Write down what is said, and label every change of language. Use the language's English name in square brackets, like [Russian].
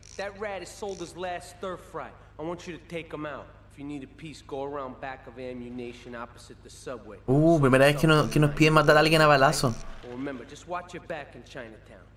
[English] That rat has sold his last stir fry. I want you to take him out. If you need a piece, go around back of ammunition opposite the subway. [Spanish] Primera vez que nos piden matar a alguien a balazo. [English] Well, remember, just watch your back in Chinatown.